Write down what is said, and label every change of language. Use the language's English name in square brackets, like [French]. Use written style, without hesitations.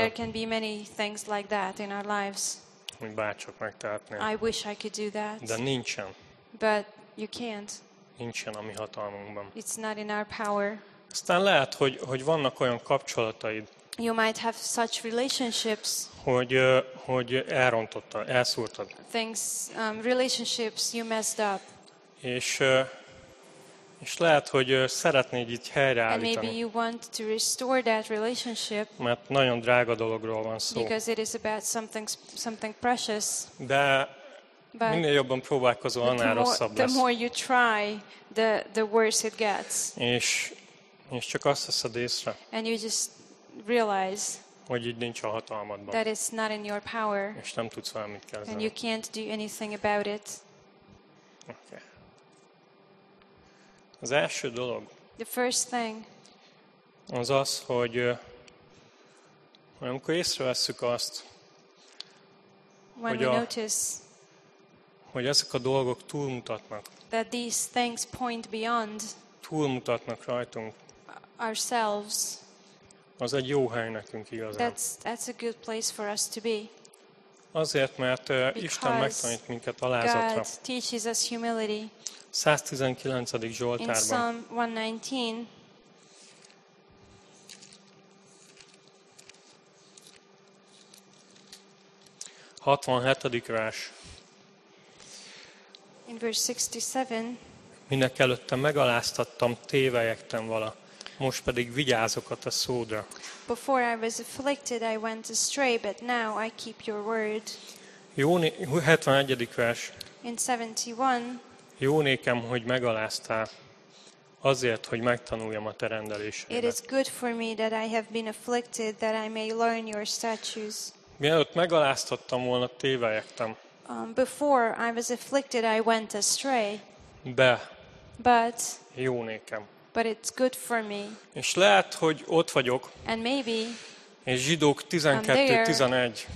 [English] And there can be many things like that in our lives. [Hungarian] Hogy bárcsak megtehetnél. [English] I wish I could do that. [Hungarian] De nincsen. [English] But you can't. [Hungarian] Nincsen a mi hatalmunkban. [English] It's not in our power. [Hungarian] Aztán lehet, hogy vannak olyan kapcsolataid. [English] You might have such relationships. [Hungarian] Hogy elrontottad, elszúrtad. [English] Things, relationships you messed up. [Hungarian] És lehet, hogy szeretnéd itt helyreállítani. [English] And maybe you want to restore that relationship. [Hungarian] Mert nagyon drága dologról van szó. [English] Because it is about something precious. [Hungarian] De [English] but [Hungarian] minél jobban próbálkozol, annál rosszabb lesz. [English] The more you try, the worse it gets. [Hungarian] És csak azt veszed észre. [English] And you just realize [Hungarian] hogy így nincs a hatalmadban. [English] That it's not in your power. [Hungarian] És nem tudsz valamit kezdeni. [English] And you can't do anything about it. Okay. [Hungarian] Az első dolog. [English] The first thing. [Hungarian] Az az, hogy amikor észreveszük azt, [English] when [Hungarian] hogy [English] we notice, [Hungarian] hogy ezek a dolgok túlmutatnak. [English] That these things point beyond. [Hungarian] Túlmutatnak rajtunk. [English] Ourselves. [Hungarian] Az egy jó hely nekünk igazán. [English] That's a good place for us to be. [Hungarian] Azért, mert Isten megtanít minket alázatra. [English] God teaches us humility. [Hungarian] 119. Zsoltárban. [English] In Psalm 119. In verse 67. [Hungarian] Minek előtte megaláztattam, tévelyektem vala. Most pedig vigyázok a te szódra. [English] Before I was afflicted, I went astray, but now I keep your word. [Hungarian] Jóné, 71. vers. [English] In 71. [Hungarian] Jó nékem, hogy megaláztál azért, hogy megtanuljam a te rendeléseidet. [English] It is good for me that I have been afflicted, that I may learn your statutes. [Hungarian] Mielőtt megaláztattam volna, tévelyektem. [English] Before I was afflicted, I went astray. [Hungarian] De. [English] But. [Hungarian] Jó nékem. [English] But it's good for me. [Hungarian] És lehet, hogy ott vagyok. [English] And maybe. [Hungarian] És Zsidók 12:11.